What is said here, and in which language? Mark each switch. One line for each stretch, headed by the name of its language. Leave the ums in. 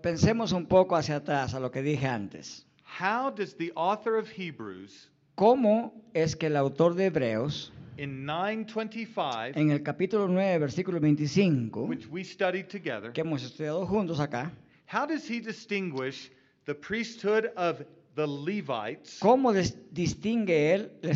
Spanish: pensemos un poco hacia atrás a lo que dije antes.
English: How does the author of Hebrews,
Spanish: ¿Cómo es que el autor de Hebreos 925, en el capítulo 9, versículo 25,
English: together,
Spanish: que hemos estudiado juntos acá,
English: How does he distinguish the priesthood of the Levites?
Spanish: ¿Cómo distingue él el, el